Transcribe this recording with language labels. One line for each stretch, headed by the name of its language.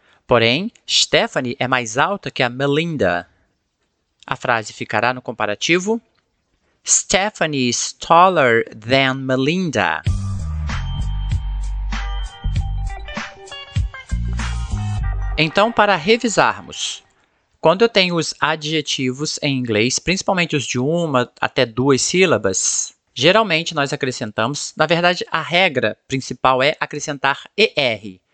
Portuguese: Porém, Stephanie é mais alta que a Melinda. A frase ficará no comparativo.
English: Stephanie is taller than Melinda.
Portuguese: Então, para revisarmos, quando eu tenho os adjetivos em inglês, principalmente os de uma até duas sílabas, geralmente nós acrescentamos, na verdade, a regra principal é acrescentar ER.